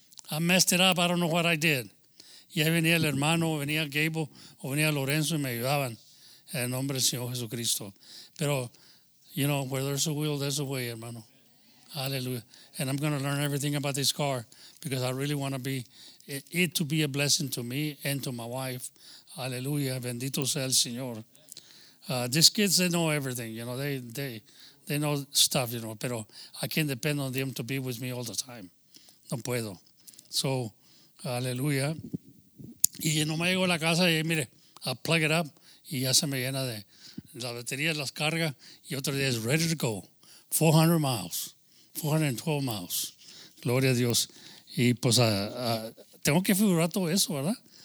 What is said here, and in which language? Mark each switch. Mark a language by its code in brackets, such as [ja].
[en] I messed it up. I don't know what I did. [es] Y ahí venía el hermano, venía Gable, o venía Lorenzo y me ayudaban. En el nombre del Señor Jesucristo. Pero, [en] you know, where there's a will, there's a way, hermano. Aleluya. And I'm going to learn everything about this car because I really want to be it to be a blessing to me and to my wife. [es] Aleluya. Bendito sea el Señor. [en] These kids, they know everything. You know, they know stuff, you know. [es] Pero [en] I can't depend on them to be with me all the time. [es] No puedo. [en] So, [es] aleluya. Y no me llego a la casa y mire, [en] I plug it up [es] y ya se me llena de la batería, las cargas. Y otro día es [en] ready to go. 400 miles. 412 miles. [es] Gloria a Dios. Y pues tengo que figurar todo eso, ¿verdad?